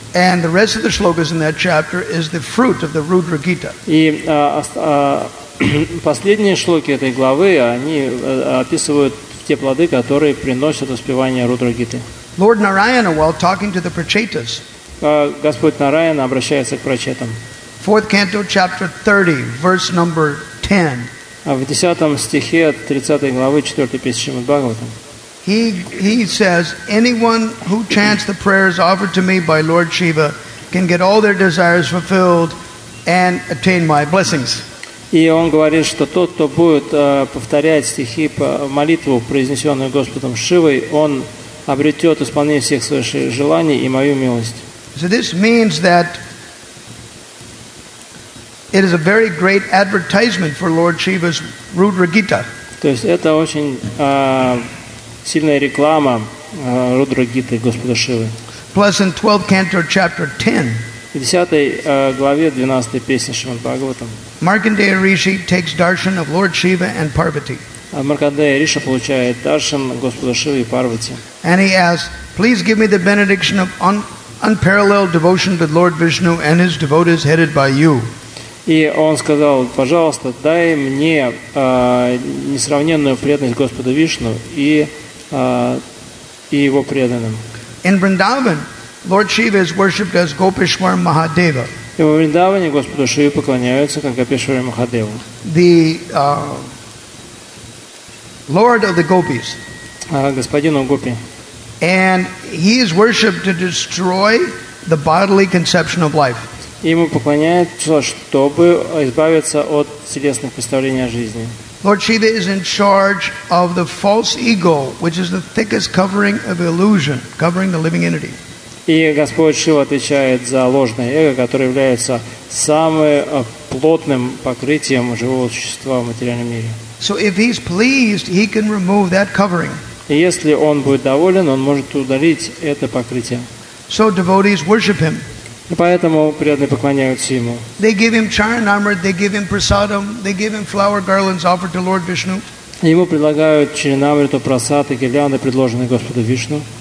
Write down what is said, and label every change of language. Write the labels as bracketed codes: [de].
[en] And the rest of the shlokas in that chapter is the fruit of the Rudra Gita. [ru] И последние шлоки этой главы, они описывают те плоды, которые приносят успевание Rudra Gita. [en] Lord Narayana, while talking to the Prachetas. [ru] Господь Нараяна обращается к Прачетам. [en] Fourth canto, chapter 30, verse number 10. [ru] В 10 стихе 30 главы 4 песни Шримад Бхагаватам. [en] He says, anyone who chants the prayers offered to me by Lord Shiva can get all their desires fulfilled and attain my blessings. [ru] И он говорит, что тот, кто будет повторять стихи по молитву, произнесенную Господом Шивой, он обретет исполнение всех своих желаний и мою милость. [en] So this means that it is a very great advertisement for Lord Shiva's Rudra Gita. [ru] То есть это очень сильная реклама Rudra Gita Господа Шивы. [en] Plus in 12th canto chapter 10. [ru] В 10 главе 12 песни Шримад Бхагаватам. [en] Markandeya Rishi takes darshan of Lord Shiva and Parvati. [ru] Markandeya Rishi получает даршан Господа Шивы и Парвати. [en] And he asks, please give me the benediction of unparalleled devotion to Lord Vishnu and his devotees headed by you. [ru] И он сказал, пожалуйста, дай мне несравненную преданность Господу Вишну и его преданным. [en] In Vrindavan, Lord Shiva is worshipped as Gopeshwar Mahadeva. [ru] И во Вриндаване Господу Шиве поклоняются как Гопешвар Махадеву. [en] The Lord of the Gopis. [ru] Господину Гопи. [en] And he is worshipped to destroy the bodily conception of life. [ru] Ему поклоняются, чтобы избавиться от телесных представлений о жизни. [en] Lord Shiva is in charge of the false ego, which is the thickest covering of illusion, covering the living entity. [ru] И Господь Шива отвечает за ложное эго, которое является самым плотным покрытием живого существа в материальном мире. [en] So if he's pleased, he can remove that covering. [ru] И если он будет доволен, он может удалить это покрытие. [en] So devotees worship him. [ru] И поэтому преданные поклоняются ему. [en] They give him charanamrit, they give him prasadam, they give him flower garlands offered to Lord Vishnu. [ru] Ему предлагают чаринамриту, прасад и гирлянды, предложенные Господу Вишну.